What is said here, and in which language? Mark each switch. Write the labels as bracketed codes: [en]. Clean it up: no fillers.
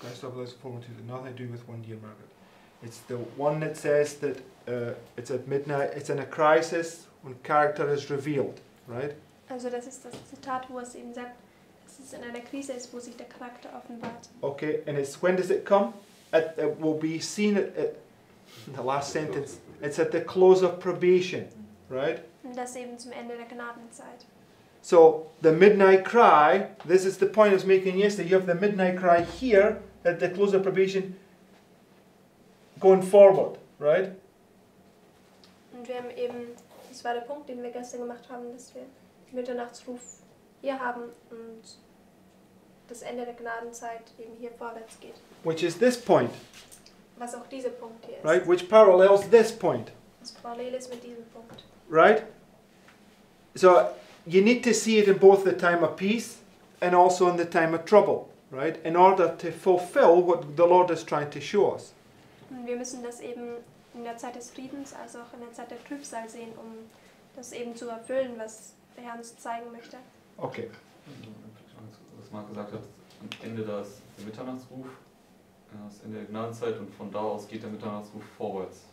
[en] Christ Object Lessons 412 has nothing to do with 1 year, Margaret. It's the one that says that it's at midnight, it's in a crisis, when character is revealed, right? [de] Also das ist das Zitat, wo es eben sagt, es ist in einer Krise, wo sich der Charakter offenbart. [en] Okay, and it's, when does it come? It will be seen at the last sentence, it's at the close of probation, right? [de] Und das eben zum Ende der Gnadenzeit. [en] So, the midnight cry, this is the point I was making yesterday, you have the midnight cry here, at the close of probation, going forward, right? [de] Und wir haben eben, das war der Punkt, den wir gestern gemacht haben, dass wir den Mitternachtsruf hier haben und das Ende der Gnadenzeit eben hier vorwärts geht. [en] Which is this point. [de] Was auch dieser Punkt hier ist. [en] Right, which parallels this point. [de] Was parallel ist mit diesem Punkt. [en] Right? So, you need to see it in both the time of peace and also in the time of trouble, right? In order to fulfill what the Lord is trying to show us. [de] Und wir müssen das eben in der Zeit des Friedens, also auch in der Zeit der Trübsal sehen, um das eben zu erfüllen, was der Herr uns zeigen möchte. [en] Okay. [de] Was Marc gesagt hat, am Ende da ist der Mitternachtsruf, das Ende der Gnadenzeit und von da aus geht der Mitternachtsruf vorwärts.